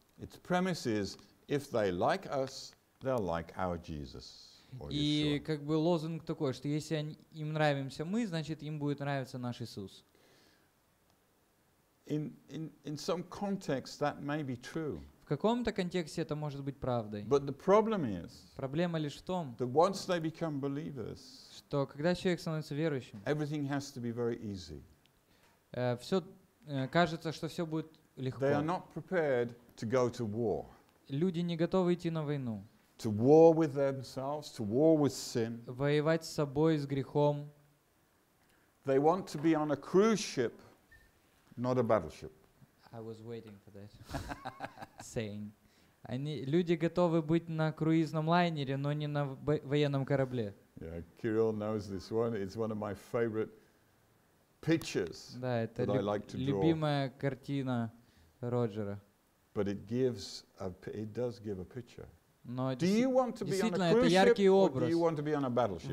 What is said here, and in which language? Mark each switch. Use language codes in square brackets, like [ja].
[en] Its premise is, if they like us, they'll like our Jesus. [ru] И как бы лозунг такой, что если им нравимся мы, значит им будет нравиться наш Иисус. [en] In some context that may be true. [ru] В каком-то контексте это может быть правдой. [en] But the problem is, [ru] проблема лишь в том, [en] that once they become believers, [ru] что когда человек становится верующим, [en] everything has to be very easy. [ru] Все, кажется, что все будет легко. [en] They are not prepared to go to war. [ru] Люди не готовы идти на войну. [en] To war with themselves, to war with sin. [ru] Воевать с собой, с грехом. [en] They want to be on a cruise ship, not a battleship. I was waiting for that saying. [ru] Люди готовы быть на круизном лайнере, но не на военном корабле. [en] Yeah, Kirill knows this one. It's one of my favorite pictures that I like to draw. [ru] Любимая картина Роджера. [en] But it does give a picture. [ru] Но [en] do you want to be on a cruise ship or do you want to be on a battleship?